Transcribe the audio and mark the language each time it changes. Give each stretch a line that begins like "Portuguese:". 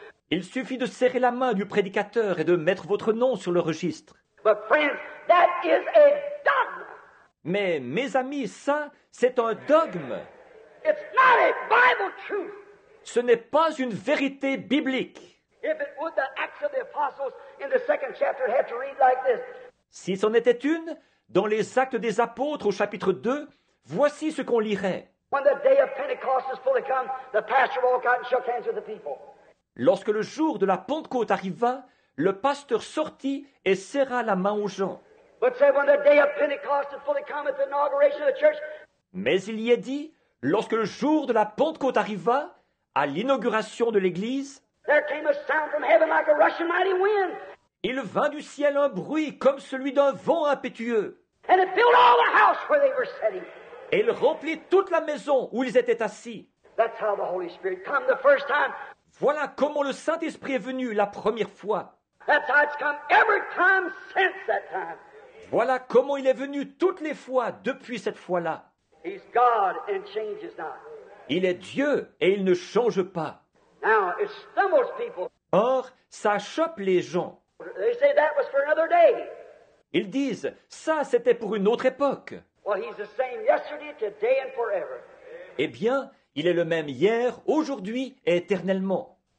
French: Il suffit de serrer la main du prédicateur et de mettre votre nom sur le registre.
English: But friends, that is a dogma.
French: Mais mes amis, ça, c'est un dogme.
English: It's not a Bible truth.
French: Ce n'est pas une vérité biblique.
English: If it would, the Acts of the Apostles in the second chapter had to read like this.
French: Si c'en était une, dans les Actes des Apôtres au chapitre 2, voici ce qu'on lirait.
English: When the day of Pentecost is fully come, the pastor walked out and shook hands with the people.
French: Lorsque le jour de la Pentecôte arriva, le pasteur sortit et serra la main aux gens.
English: But say when the day of Pentecost is fully come at the inauguration of the church.
French: Mais il y est dit, lorsque le jour de la Pentecôte arriva, à l'inauguration de l'Église,
English: there came a sound from heaven like a rushing mighty wind.
French: Il vint du ciel un bruit comme celui d'un vent impétueux.
English: And it filled all the house where they were sitting.
French: Et il remplit toute la maison où ils étaient assis.
English: That's how the Holy Spirit came the first time.
French: Voilà comment le Saint-Esprit est venu la première fois.
English: That's how it's come every time since that time.
French: Voilà comment il est venu toutes les fois depuis cette fois-là.
English: He's God and changes not.
French: Il est Dieu et il ne change pas.
English: Now, it stumbles people.
French: Or, ça chope les gens.
English: They say that was for another day.
French: Ils disent, ça c'était pour une autre époque.
English: Well, he's the same yesterday, today and forever.
French: Eh bien, il est le même hier, aujourd'hui et éternellement.